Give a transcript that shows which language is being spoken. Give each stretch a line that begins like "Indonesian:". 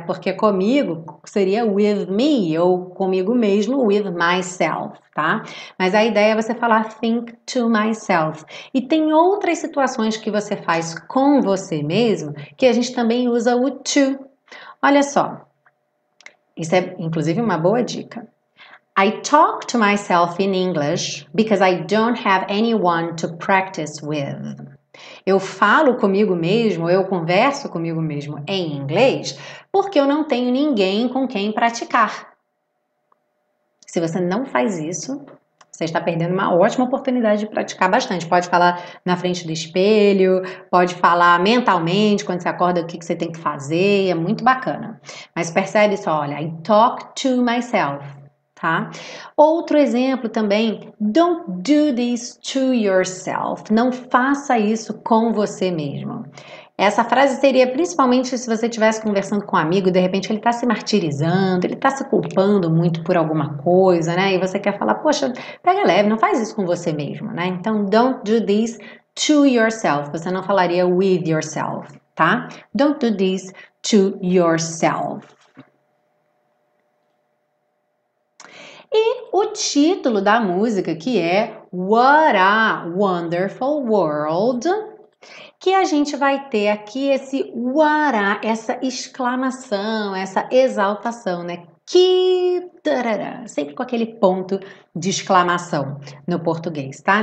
Portuguese: Porque comigo seria
English: with me,
Portuguese: ou comigo mesmo,
English: with myself,
Portuguese: tá? Mas a ideia é você falar
English: think to myself.
Portuguese: E tem outras situações que você faz com você mesmo que a gente também usa o to. Olha só, isso é inclusive uma boa dica.
English: I talk to myself in English because I don't have anyone to practice with.
Portuguese: Eu falo comigo mesmo, eu converso comigo mesmo em inglês porque eu não tenho ninguém com quem praticar. Se você não faz isso, você está perdendo uma ótima oportunidade de praticar bastante. Pode falar na frente do espelho, pode falar mentalmente quando você acorda o que você tem que fazer, é muito bacana. Mas percebe só, olha,
English: I talk to myself.
Portuguese: Tá? Outro exemplo também,
English: don't do this to yourself,
Portuguese: não faça isso com você mesmo. Essa frase seria principalmente se você estivesse conversando com um amigo, de repente ele está se martirizando, ele está se culpando muito por alguma coisa, né? E você quer falar, poxa, pega leve, não faz isso com você mesmo, né? Então,
English: don't do this to yourself,
Portuguese: você não falaria
English: with yourself,
Portuguese: tá?
English: Don't do this to yourself.
Portuguese: E o título da música, que é What a Wonderful World, que a gente vai ter aqui esse What a, essa exclamação, essa exaltação, né? Que tarará, sempre com aquele ponto de exclamação no português, tá?